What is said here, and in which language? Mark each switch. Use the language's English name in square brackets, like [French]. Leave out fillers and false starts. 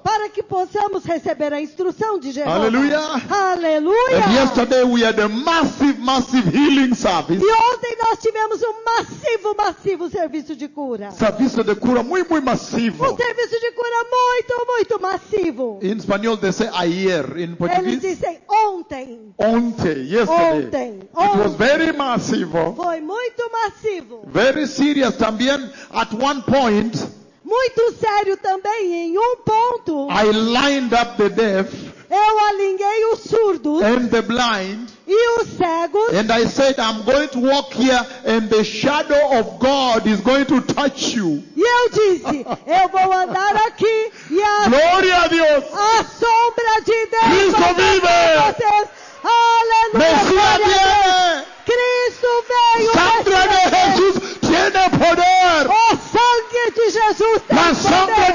[Portuguese] Para que possamos receber a instrução de Jeová. Aleluia. Aleluia. [English] And yesterday we had a massive, massive healing service. [Portuguese] E ontem nós tivemos um massivo, massivo serviço de cura. Serviço de cura muito, muito massivo. Um serviço de cura muito, muito massivo. Em espanhol, [English] they say ayer. In Portuguese, [Portuguese] eles dizem ontem. Ontem, yesterday. Ontem. [English] It [Portuguese] ontem. [English] Was very massivo. [Portuguese] Foi muito massivo. [English] Very serious também. At one point. [Portuguese] Muito sério também. Em um ponto. [English] I lined up the deaf. [Portuguese] Eu alinhei os surdos. [English] And the blind. [Portuguese] E os cegos. [English] And I said, I'm going to walk here and the shadow of God is going to touch you. [Portuguese] E eu disse, eu vou andar aqui e a glória a Deus. A sombra de Deus. Cristo vive. Aleluia. Messias vive. Cristo veio. [Spanish] Sangre de Jesus tiene poder. [Portuguese] O sangue de Jesus tem poder.